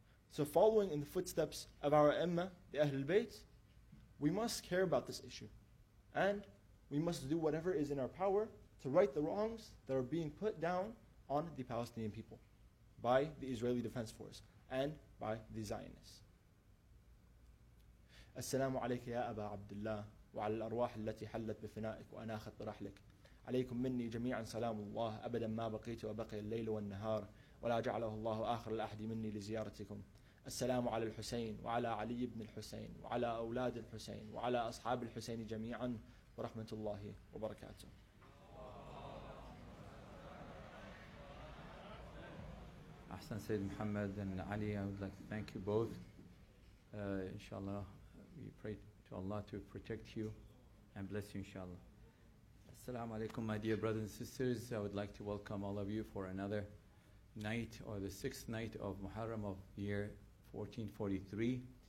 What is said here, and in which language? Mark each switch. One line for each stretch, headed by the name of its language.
English: So following in the footsteps of our Imma, the Ahlul Bayt, we must care about this issue. And we must do whatever is in our power to right the wrongs that are being put down on the Palestinian people by the Israeli Defense Force and by the Zionists.
Arabic: السلام عليك يا أبا عبد الله وعلى الأرواح التي حلت بفنائك وأناخت برحلك عليكم مني جميعا سلام الله أبدا ما بقيت وبقي الليل والنهار ولا جعله الله آخر الأحد مني لزيارتكم السلام على الحسين وعلى علي بن الحسين وعلى أولاد الحسين وعلى أصحاب الحسين جميعا ورحمة الله وبركاته. أحسن سيد
English: محمد and Ali, I would like to thank you both. Inshallah. We pray to Allah to protect you and bless you, inshallah. Assalamu alaikum, my dear brothers and sisters. I would like to welcome all of you for another night, or the sixth night of Muharram of year 1443.